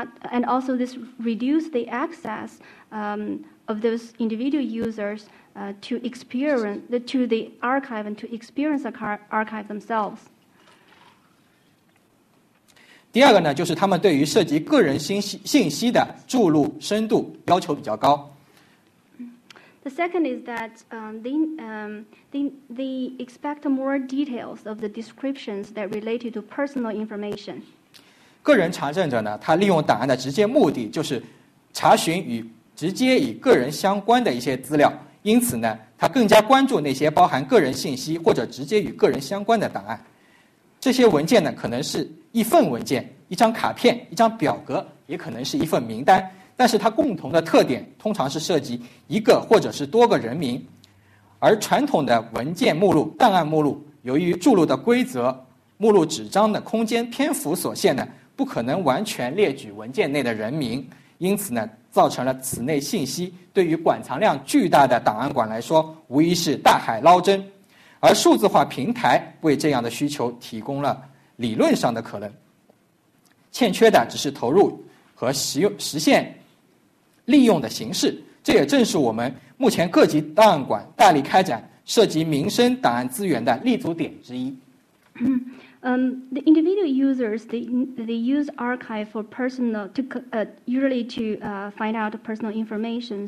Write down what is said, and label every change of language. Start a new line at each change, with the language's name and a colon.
English: And also this reduce the access of those individual users to experience to the archive and to experience the archive themselves.
Chinese: 第二个呢, 就是他们对于涉及个人信息的注入深度要求比较高。
English: The second is that they expect more details of the descriptions that related to personal information.
Chinese: 个人查证者呢, 他利用档案的直接目的 就是查询与 直接与个人相关的一些资料，因此呢， 他更加关注那些包含个人信息或者直接与个人相关的档案。这些文件呢， 可能是一份文件、一张卡片、一张表格， 也可能是一份名单，但是它共同的特点 通常是涉及一个或者是多个人名。而传统的文件目录、档案目录， 由于注录的规则、目录纸张的空间篇幅所限呢， 不可能完全列举文件内的人名， 因此呢， 造成了此类信息对于馆藏量巨大的档案馆来说无疑是大海捞针，而数字化平台为这样的需求提供了理论上的可能，欠缺的只是投入和实现利用的形式。这也正是我们目前各级档案馆大力开展涉及民生档案资源的立足点之一。
English: The individual users, they use archive for personal, usually to find out personal information.